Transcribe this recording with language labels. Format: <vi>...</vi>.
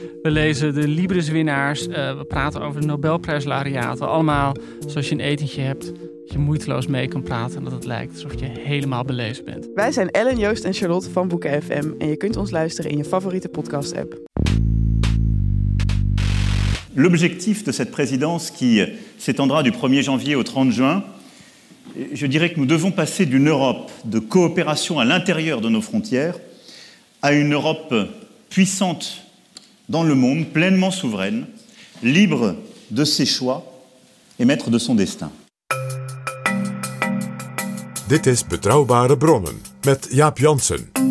<nl>We lezen de Libris-winnaars. We praten over de Nobelprijslaureaten. Allemaal zoals je een etentje hebt, dat je moeiteloos mee kan praten en dat het lijkt alsof je helemaal belezen bent. Wij zijn Ellen, Joost en Charlotte van Boeken FM en je kunt ons luisteren in je favoriete podcast-app.</nl> <fr>L'objectif de cette présidence qui s'étendra du 1er janvier au 30 juin, je dirais que nous devons passer d'une Europe de coopération à l'intérieur de nos frontières à une Europe puissante dans le monde, pleinement souveraine, libre de ses choix et maître de son destin.</fr> <nl>Dit is Betrouwbare Bronnen met Jaap Janssen.</nl>